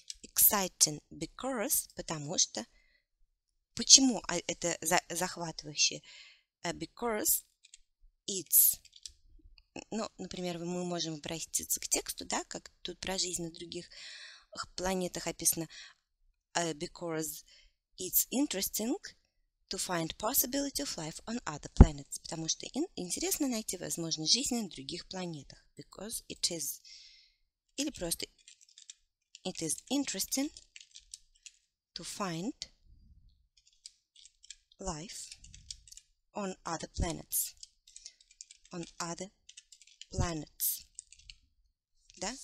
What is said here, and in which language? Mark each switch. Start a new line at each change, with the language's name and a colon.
English: Exciting because,
Russian: потому что. Почему это захватывающее?
English: Because it's...
Russian: например, мы можем обратиться к тексту, да, как тут про жизнь на других планетах описано.
English: Because it's interesting to find possibility of life on other planets.
Russian: Потому что интересно найти возможность жизни на других планетах.
English: Because it is...
Russian: Или просто
English: it is interesting to find... Life on other planets. On other planets.
Russian: Да?